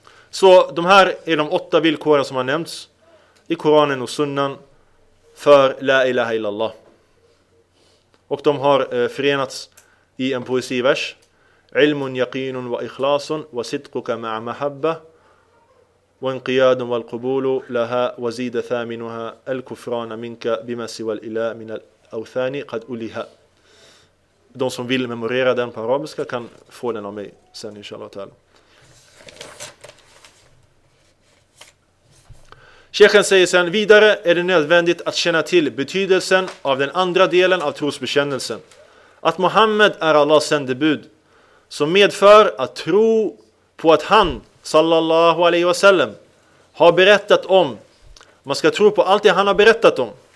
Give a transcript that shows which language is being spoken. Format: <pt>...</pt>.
<sv>Så de här är de åtta villkoren som har nämnts i Koranen och Sunnan för la ilaha illallah. Och de har förenats i en poesivers.</sv> <ar>Ilmun, yaqinun wa ikhlasun wa sidquka ma'a mahabba. وانقياد والقبول لها وزيد ثامنها الكفران منك بما سوى الاله من الاوثان قد اليها.</ar> <sv>De som vill memorera den på arabiska kan få den av mig sen inshallah ta'ala. Sheikhen säger sen vidare är det nödvändigt att känna till betydelsen av den andra delen av trosbekännelsen, att Muhammad är Allahs sändebud, som medför att tro på att han sallallahu alaihi wasallam har berättat om, man ska tro på allt det han har berättat om,</sv>